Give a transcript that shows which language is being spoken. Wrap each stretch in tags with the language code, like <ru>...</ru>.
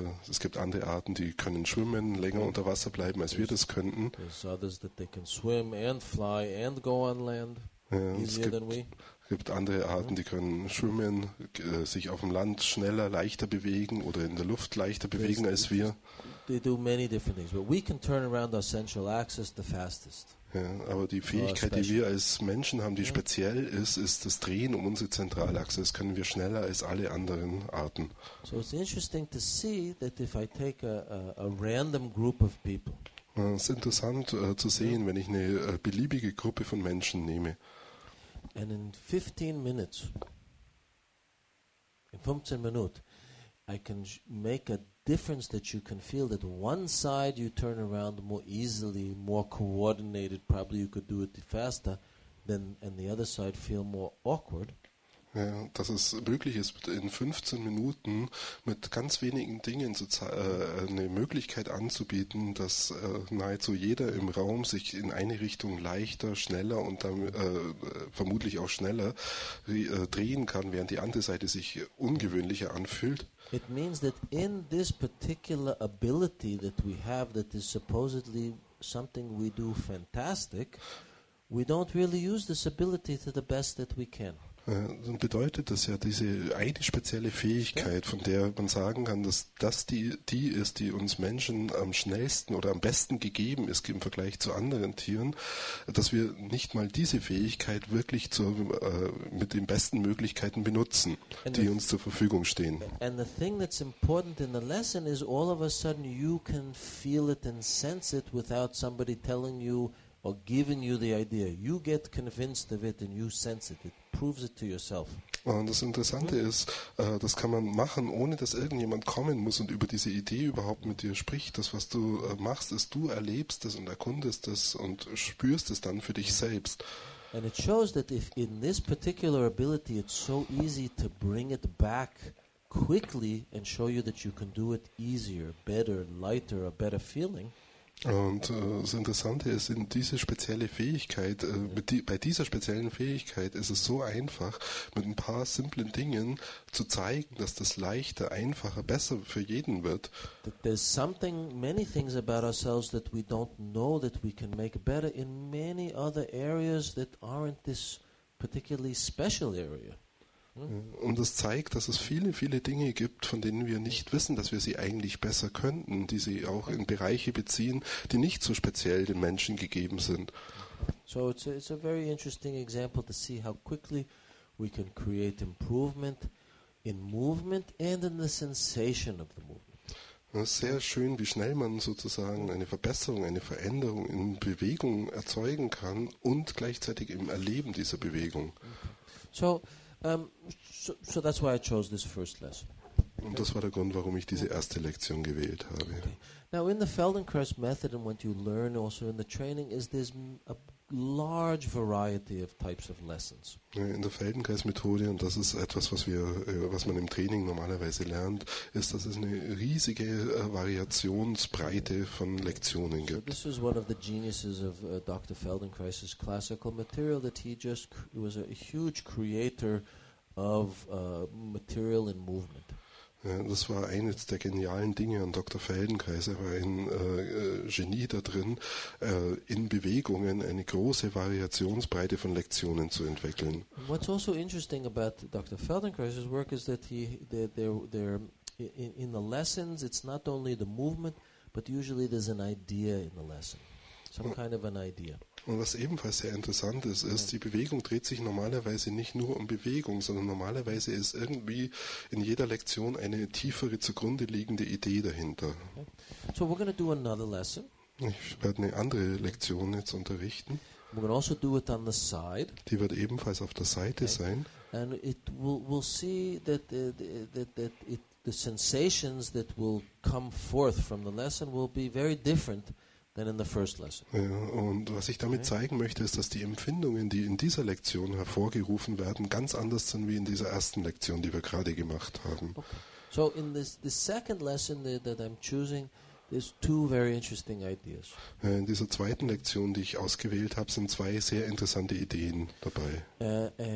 <de>Es gibt andere Arten, die können schwimmen, länger unter Wasser bleiben, als wir das könnten. Es gibt andere Arten, die können schwimmen, sich auf dem Land schneller, leichter bewegen oder in der Luft leichter bewegen als wir.</de> <en>They do many different things, but we can turn around our central axis the fastest.</en> <de>Ja, aber die Fähigkeit, die wir als Menschen haben, die speziell ist, ist das Drehen um unsere Zentralachse. Das können wir schneller als alle anderen Arten.</de> <en>So it's interesting to see that if I take a random group of people.</en> <de>Es ist interessant zu sehen, wenn ich eine beliebige Gruppe von Menschen nehme.</de> <en>And in 15 Minuten, I can make a difference that you can feel that one side you turn around more easily, more coordinated, probably you could do it faster than and the other side feel more awkward.</en> <de>Ja, dass es möglich ist, in 15 Minuten mit ganz wenigen Dingen eine Möglichkeit anzubieten, dass nahezu jeder im Raum sich in eine Richtung leichter, schneller und dann vermutlich auch schneller drehen kann, während die andere Seite sich ungewöhnlicher anfühlt.</de> <en>It means that in this particular ability that we have, that is supposedly something we do fantastic, we don't really use this ability to the best that we can.</en> <de>Dann bedeutet das ja, diese eine spezielle Stimmt. Fähigkeit, von der man sagen kann, dass das die ist, die uns Menschen am schnellsten oder am besten gegeben ist im Vergleich zu anderen Tieren, dass wir nicht mal diese Fähigkeit wirklich mit den besten Möglichkeiten benutzen,</de> <en>And</en> <de>die uns zur Verfügung stehen.</de> <en>the thing that's important in the lesson is all of a sudden you can feel it and sense it without somebody telling you or giving you the idea. You get convinced of it and you sense it. It proves it to yourself.</en> <de>Und das Interessante ist, das kann man machen, ohne dass irgendjemand kommen muss und über diese Idee überhaupt mit dir spricht. Das, was du machst, ist, du erlebst es und erkundest es und spürst es dann für dich selbst.</de> <en>And it shows that if in this particular ability it's so easy to bring it back quickly and show you that you can do it easier, better, lighter, a better feeling.</en> <de>Und das Interessante ist, in diese spezielle Fähigkeit, bei dieser speziellen Fähigkeit ist es so einfach, mit ein paar simplen Dingen zu zeigen, dass das leichter, einfacher, besser für jeden wird.</de> <en>There's something, many things about ourselves that we don't know that we can make better in many other areas that aren't this particularly special area.</en> <de>Und das zeigt, dass es viele, viele Dinge gibt, von denen wir nicht wissen, dass wir sie eigentlich besser könnten, die sie auch in Bereiche beziehen, die nicht so speziell den Menschen gegeben sind.</de> <en>So it's a very interesting example to see how quickly we can create improvement in movement and in the sensation of the movement.</en> <de>Es ist sehr schön, wie schnell man sozusagen eine Verbesserung, eine Veränderung in Bewegung erzeugen kann und gleichzeitig im Erleben dieser Bewegung.</de> <en>So that's why I chose this first lesson.</en> <de>Und das war der Grund, warum ich diese erste Lektion gewählt habe.</de> <en>Okay. Now in the Feldenkrais method and what you learn also in the training is there's a large variety of types of lessons.</en> <de>In der Feldenkrais-Methode, und das ist etwas, was man im Training normalerweise lernt, ist, dass es eine riesige Variationsbreite von Lektionen gibt.</de> <en>So this is one of the geniuses of Dr. Feldenkrais's classical material, that he just was a huge creator of material and movement.</en> <de>Das war eines der genialen Dinge an Dr. Feldenkrais. Er war ein Genie da drin, in Bewegungen eine große Variationsbreite von Lektionen zu entwickeln.</de> <en>What's also interesting about Dr. Feldenkrais's work is that he there in the lessons it's not only the movement, but usually there's an idea in the lesson, some kind of an idea.</en> <de>Und was ebenfalls sehr interessant ist, ist, die Bewegung dreht sich normalerweise nicht nur um Bewegung, sondern normalerweise ist irgendwie in jeder Lektion eine tiefere zugrunde liegende Idee dahinter.</de> <en>So we're gonna do another lesson.</en> <de>Ich werde eine andere Lektion jetzt unterrichten.</de> <en>We're gonna also do it on the side.</en> <de>Die wird ebenfalls auf der Seite sein.</de> <en>And it will see that it, the sensations that will come forth from the lesson will be very different than in the first lesson.</en> <de>Ja, und was ich damit zeigen möchte, ist, dass die Empfindungen, die in dieser Lektion hervorgerufen werden, ganz anders sind wie in dieser ersten Lektion, die wir gerade gemacht haben.</de> <en>Okay. So in this second lesson that I'm choosing, there's two very interesting ideas.</en> <de>Ja, in dieser zweiten Lektion, die ich ausgewählt habe, sind zwei sehr interessante Ideen dabei.</de>